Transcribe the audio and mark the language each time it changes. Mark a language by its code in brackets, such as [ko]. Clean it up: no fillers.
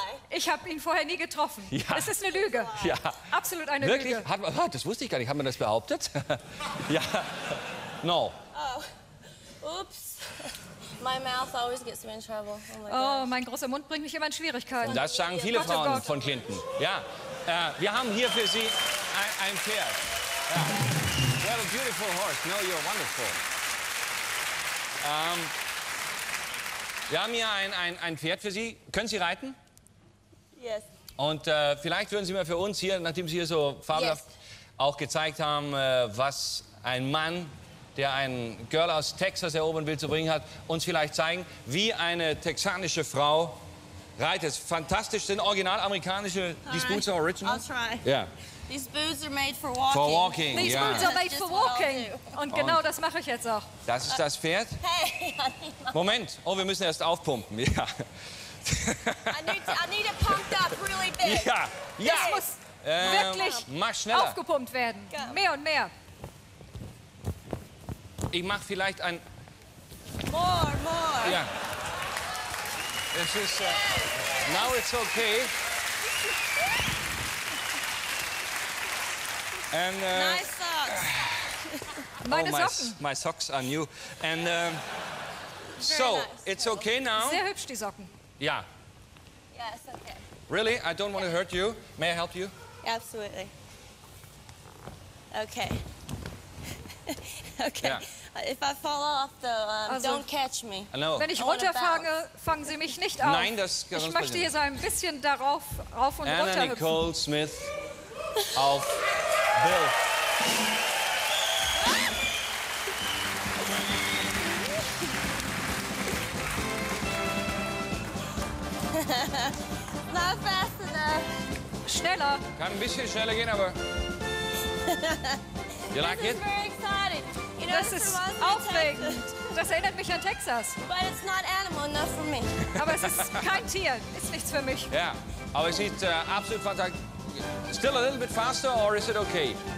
[de] ich hab ihn vorher nie getroffen. Ja. Das ist eine Lüge. Ja. Absolut eine Wirklich? Lüge. Wirklich? Das wusste ich gar nicht. Hat man das behauptet? Ja. No. Oh. Ups. [en] My mouth always gets me in trouble. Oh, [de] mein großer Mund bringt mich immer in Schwierigkeiten. Das sagen viele Frauen von Clinton. Ja. Wir haben hier für Sie ein Pferd. [en] Yeah. You have a beautiful horse. No, you're wonderful. [de] Wir haben hier ein Pferd für Sie. Können Sie reiten? [en] Yes. [de] Und vielleicht würden Sie mal für uns hier, nachdem Sie hier so fabelhaft auch gezeigt haben, was ein Mann, der ein Girl aus Texas erobern will, zu bringen hat, uns vielleicht zeigen, wie eine texanische Frau reitet. Fantastisch, sind original amerikanische, [en] these boots are original? I'll try. Yeah. These boots are made for walking. These boots are made for walking. [de] Und genau das mache ich jetzt auch. Das ist das Pferd. Hey, Moment. Oh, wir müssen erst aufpumpen. Ja. [en] I need it pumped up really big. [de] Ja. Ja. Das muss wirklich aufgepumpt werden. [en] Go. [de] Mehr und mehr. Ich mache vielleicht ein. [en] More. [de] Ja. Es ist. [en] Now it's okay. And, nice socks. My socks are new. And Very nice. It's okay now. [de] Sehr hübsch die Socken. [en] Yeah. Yeah, it's okay. Really? I don't want to hurt you. May I help you? Absolutely. Okay. Okay. Yeah. If I fall off, though, don't catch me. I know. [de] Wenn ich runterfange, fangen Sie mich nicht auf. Nein, das ich möchte hier so ein bisschen darauf rauf und Anna runter hüpfen. Nicole Smith auf. Bill. [en] Not fast enough. [de] Schneller. Kann ein bisschen schneller gehen, aber. [en] You like this it? Very exciting. You know, [de] das ist aufregend. Das erinnert mich an Texas. [en] But it's not animal enough for me. [de] Aber es ist kein Tier. Ist nichts für mich. Ja, aber es sieht absolut fantastisch. [en] Still a little bit faster, or is it okay?